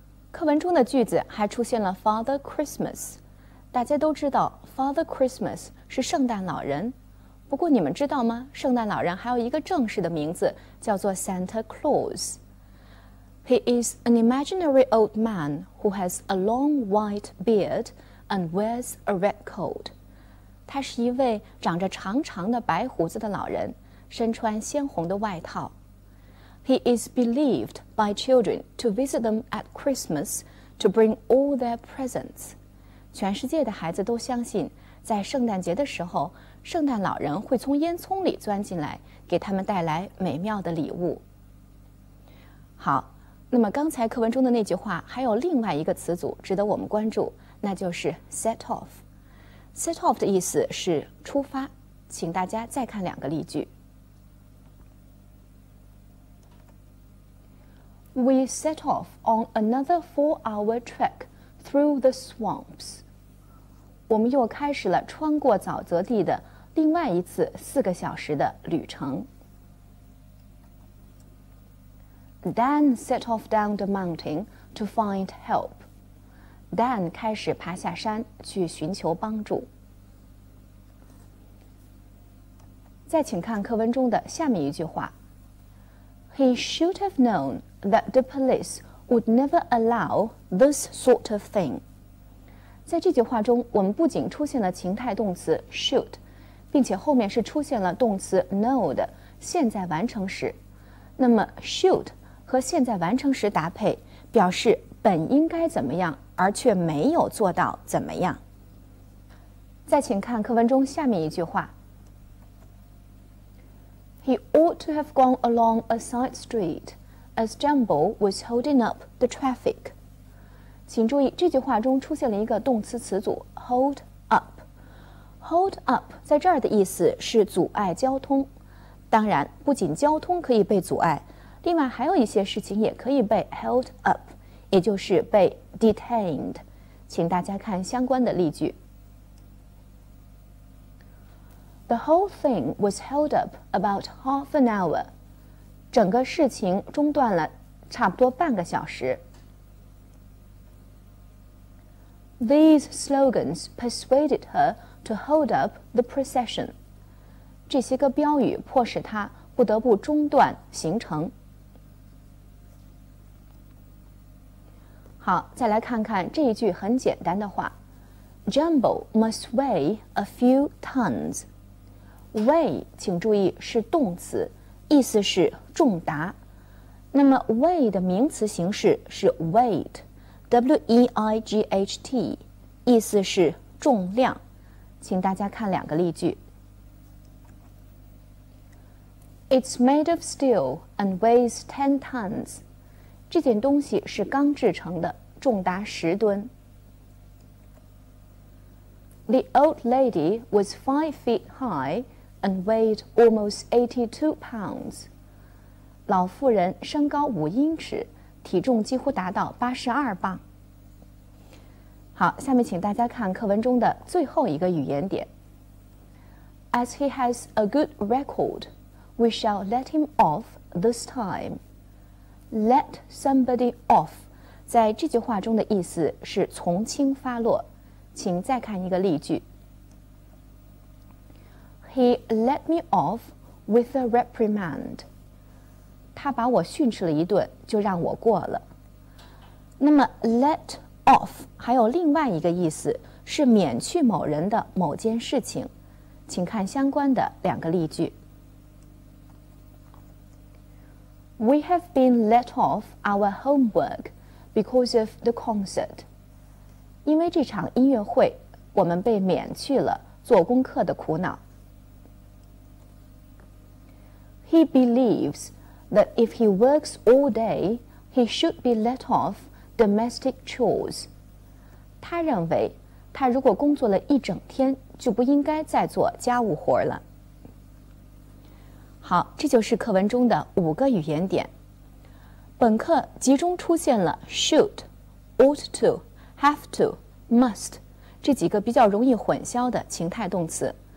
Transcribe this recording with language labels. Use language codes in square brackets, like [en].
[zh] 课文中的句子还出现了 Father Christmas， 大家都知道 Father Christmas 是圣诞老人，不过你们知道吗？圣诞老人还有一个正式的名字叫做 Santa Claus。 [en] He is an imaginary old man who has a long white beard and wears a red coat. [zh] 他是一位长着长长的白胡子的老人，身穿鲜红的外套。 [en] He is believed by children to visit them at Christmas to bring all their presents. [zh] 全世界的孩子都相信，在圣诞节的时候，圣诞老人会从烟囱里钻进来，给他们带来美妙的礼物。好，那么刚才课文中的那句话还有另外一个词组值得我们关注，那就是 set off. Set off 的意思是出发，请大家再看两个例句。 [en] We set off on another 4-hour trek through the swamps. [zh] 我们又开始了穿过沼泽地的另外一次四个小时的旅程。 [en] Dan set off down the mountain to find help. [zh] Dan 开始爬下山去寻求帮助。再请看课文中的下面一句话。 [en] He should have known that the police would never allow this sort of thing. [zh] 在这句话中，我们不仅出现了情态动词 should， 并且后面是出现了动词 know 的现在完成时。那么 should 和现在完成时搭配，表示本应该怎么样，而却没有做到怎么样。再请看课文中下面一句话。 [en] He ought to have gone along a side street as Jumbo was holding up the traffic. [zh] 请注意，这句话中出现了一个动词词组 hold up. Hold up 在这儿的意思是阻碍交通。当然，不仅交通可以被阻碍，另外还有一些事情也可以被 held up， 也就是被 detained。请大家看相关的例句。 [en] The whole thing was held up about half an hour. [zh] 整个事情中断了差不多半个小时。 [en] These slogans persuaded her to hold up the procession. [zh] 这些个标语迫使她不得不中断行程。好，再来看看这一句很简单的话。 [en] Jumbo must weigh a few tons. [zh] Weigh， 请注意是动词，意思是重达。那么 weigh 的名词形式是 weight，W-E-I-G-H-T， 意思是重量。请大家看两个例句。 [en] It's made of steel and weighs 10 tons. [zh] 这件东西是钢制成的，重达10吨。 [en] The old lady was 5 feet high and weighed almost 82 pounds. [zh] 老妇人身高5英尺，体重几乎达到82磅。好，下面请大家看课文中的最后一个语言点。 [en] As he has a good record, we shall let him off this time. [zh] Let somebody off, 在这句话中的意思是从轻发落。请再看一个例句。 [en] He let me off with a reprimand. [zh] 他把我训斥了一顿，就让我过了。那么 let off 还有另外一个意思，是免去某人的某件事情。请看相关的两个例句。 [en] We have been let off our homework because of the concert. [zh] 因为这场音乐会，我们被免去了做功课的苦恼。 [en] He believes that if he works all day, he should be let off domestic chores. [zh] 他认为他如果工作了一整天，就不应该再做家务活了。好，这就是课文中的五个语言点。本课集中出现了 should, ought to, have to, must 这几个比较容易混淆的情态动词。